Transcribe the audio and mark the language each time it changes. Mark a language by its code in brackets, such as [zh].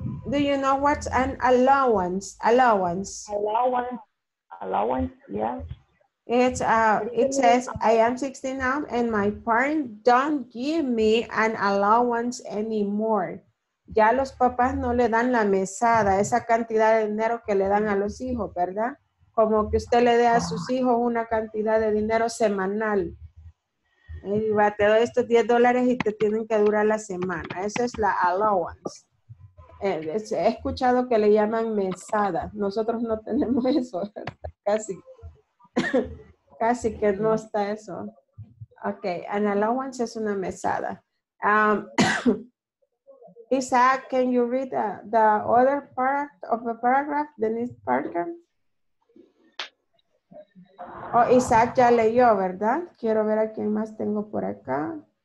[en] Do you know what's an allowance? Allowance, yeah. It says, I am 16 now and my parents don't give me an allowance anymore. [es] ya los papás no le dan la mesada, esa cantidad de dinero que le dan a los hijos, ¿verdad? Como que usted le dé a sus hijos una cantidad de dinero semanal. Y va, te doy estos 10 dólares y te tienen que durar la semana. Esa es la allowance. He escuchado que le llaman mesada. Nosotros no tenemos eso. Casi. Casi que no está eso. Ok, an allowance es una mesada. [en] Isaac, can you read the other part of the paragraph, Denise Parker? [es] Oh, Isaac ya leyó, ¿verdad? Quiero ver a quién más tengo por acá.